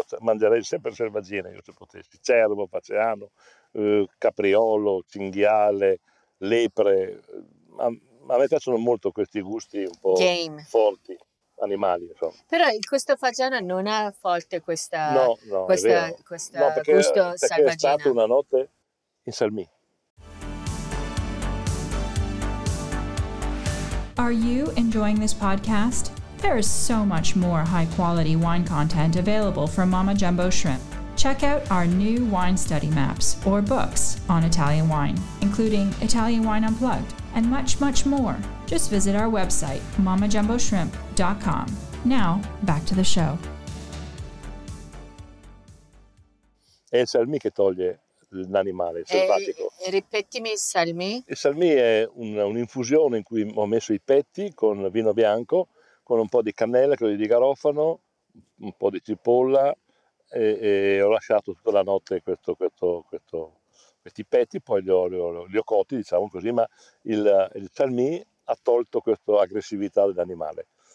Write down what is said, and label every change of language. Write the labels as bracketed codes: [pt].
[it] Mangerei sempre selvaggina, io se potessi. Cervo, fagiano, capriolo, cinghiale, lepre. A me piacciono molto questi gusti un po' [en] game. [it] Forti. Animali, insomma. Però questo fagiano non ha forte questa, questa perché, gusto selvaggina. È stata una notte in Salmì. [en] Are you enjoying this podcast? There is so much more high quality wine content available from Mama Jumbo Shrimp. Check out our new wine study maps or books on Italian wine, including Italian Wine Unplugged, and much, much more. Just visit our website, mamajumboshrimp.com. Now, back to the show. [it] È il Salmì che toglie l'animale, il selvatico. Ripetimi il Salmì. Il Salmì è un'infusione in cui ho messo i petti con vino bianco, con un po' di cannella, quello di garofano, un po' di cipolla, e ho lasciato tutta la notte questi petti, poi li ho cotti, diciamo così, ma il Salmì ha tolto questa aggressività dell'animale.